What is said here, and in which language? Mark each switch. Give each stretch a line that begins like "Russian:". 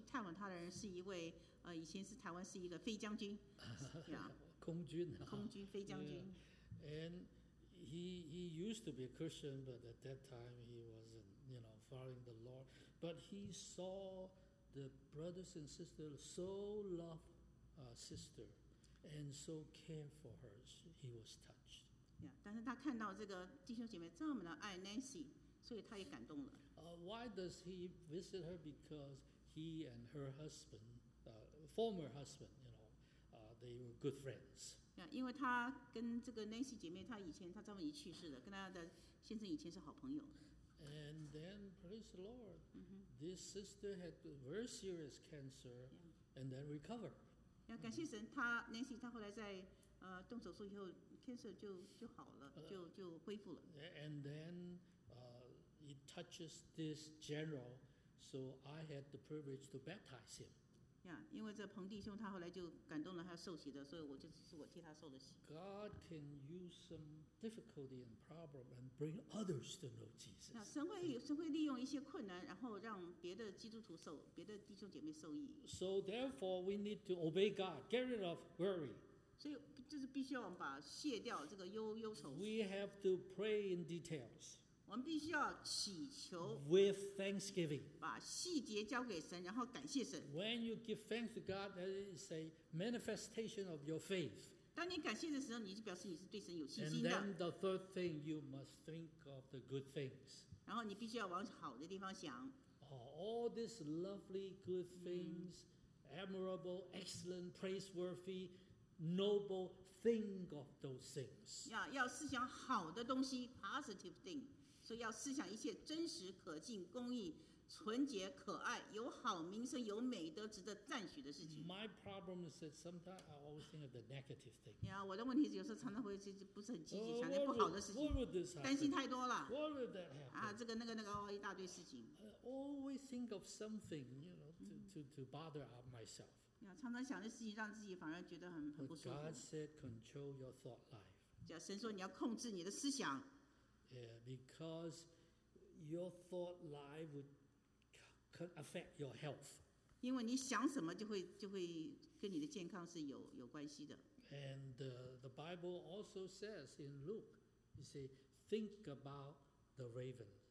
Chinese: 其中一个去探望他的人是一位，以前是台湾是一个飞将军。空军。空军飞将军。 Yeah.
English: And he used to be a Christian, but at that time he wasn't, you know, following the Lord. But he saw the brothers and sisters so love sister. And so care for her, he was touched.
Chinese: Yeah, 但是他看到这个弟兄姐妹这么的爱 Nancy, 所以他也感动了。
English: Why does he visit her? Because he and her husband, former husband, you know, they were good friends.
Chinese: Yeah, 因为他跟这个 Nancy 姐妹，她以前她丈夫已去世了，跟她的先生以前是好朋友。
English: And then, praise the Lord, this sister had very serious cancer, and then recovered.
Chinese: 感谢神，他 Nancy 他后来在动手术以后 ，cancer 就好了，就恢复了。
English: And then, he touches this general, so I had the privilege to baptize him.
Chinese: Yeah, 因为这彭弟兄他后来就感动了他受洗的，所以我就是我替他受了洗。
English: God can use some difficulty and problem and bring others to know Jesus.
Chinese: 神会利用一些困难，然后让别的基督徒受，别的弟兄姐妹受益。
English: So therefore, we need to obey God. Get rid of worry.
Chinese: 所以就是必须要把卸掉这个忧愁。
English: We have to pray in details.
Chinese: 我们必须要祈求
English: ，with thanksgiving，
Chinese: 把细节交给神，然后感谢神。
English: When you give thanks to God, that is a manifestation of your faith.
Chinese: 当你感谢的时候，你就表示你是对神有信心的。
English: And then the third thing, you must think of the good things.
Chinese: 然后你必须要往好的地方想。
English: Oh, all these lovely good things, admirable, excellent, praiseworthy, noble, think of those things.
Chinese: 要思想好的东西 ， positive thing. 所以要思想一切真实、可敬、公义、纯洁、可爱、有好名声、有美德、值得赞许的事情。
English: My problem is that sometimes I always think of the negative thing.
Chinese: Yeah, 我的问题是有时候常常会不是很积极，想那不好的事情，担心太多了。
English: What would that happen?
Chinese: 啊，这个那个一大堆事情。
English: I always think of something, you know, to bother up myself.
Chinese: Yeah, 常常想的事情让自己反而觉得很不舒服。
English: God said, control your thought life.
Chinese: 神说你要控制你的思想。
English: Yeah, because your thought life would affect your health.
Chinese: 因为你想什么就会跟你的健康是有关系的。
English: And the Bible also says in Luke, you say, think about the ravens.